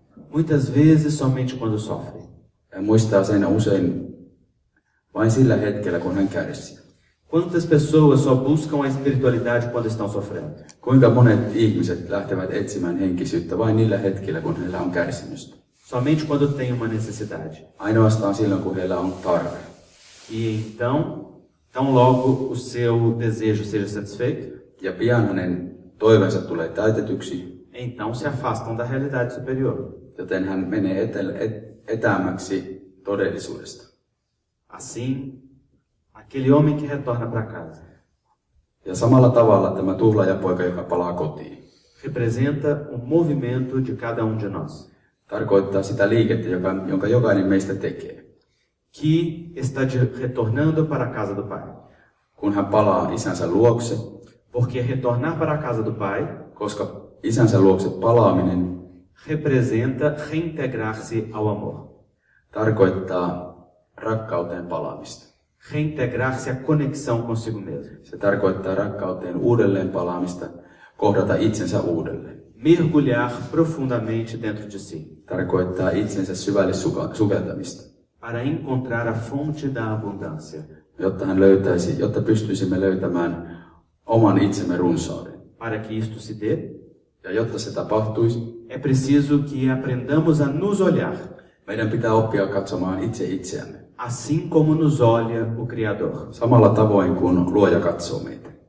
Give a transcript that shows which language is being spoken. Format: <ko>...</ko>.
<pt>Muitas vezes somente quando sofre.</pt> <fi>Ja muistaa sen usein vain sillä hetkellä, kun hän kärsii.</fi> <pt>Quantas pessoas só buscam a espiritualidade quando estão sofrendo?</pt> <fi>Kuinka monet ihmiset lähtevät etsimään henkisyyttä vain niillä hetkellä, kun heillä on kärsimystä?</fi> <pt>Somente quando tem uma necessidade.</pt> <fi>Ainoastaan silloin, kun heillä on tarve.</fi> <pt>E então, tão logo o seu desejo seja satisfeito,</pt> <fi>ja pian hänen toiveensa tulee täytetyksi,</fi> <pt>então se afastam da realidade superior.</pt> <fi>Joten hän menee etäämmäksi todellisuudesta.</fi> <pt>Assim, aquele homem que retorna para casa.</pt> <fi>Ja samalla tavalla tämä tuhlaajapoika, joka palaa kotiin,</fi> <pt>representa o movimento de cada de nós.</pt> <fi>Tarkoittaa sitä liikettä, jonka jokainen meistä tekee.</fi> <pt>Que está retornando para a casa do pai.</pt> <fi>Kun hän palaa isänsä luokse.</fi> <pt>Porque retornar para a casa do pai,</pt> <fi>koska isänsä luokse palaaminen,</fi> <pt>representa reintegrar-se ao amor.</pt> <fi>Tarkoittaa rakkauteen palaamista.</fi> <pt>Reintegrar-se à conexão consigo mesmo.</pt> <fi>Se tarkoittaa rakkauteen uudelleen palaamista, kohdata itsensä uudelleen.</fi> <pt>Mergulhar profundamente dentro de si.</pt> <fi>Tarkoittaa itsensä syvälle sukeltamista.</fi> <pt>Para encontrar a fonte da abundância.</pt> <fi>Jotta pystyisimme löytämään oman itsemme runsauden.</fi> <pt>Para que isto se dê,</pt> <fi>ja jotta se tapahtuisi,</fi> <pt>é preciso que aprendamos a nos olhar.</pt> <fi>Meidän pitää oppia katsomaan itse itseämme.</fi> <pt>Assim como nos olha o Criador.</pt> <fi>Samalla tavoin kuin Luoja katsoo meitä.</fi>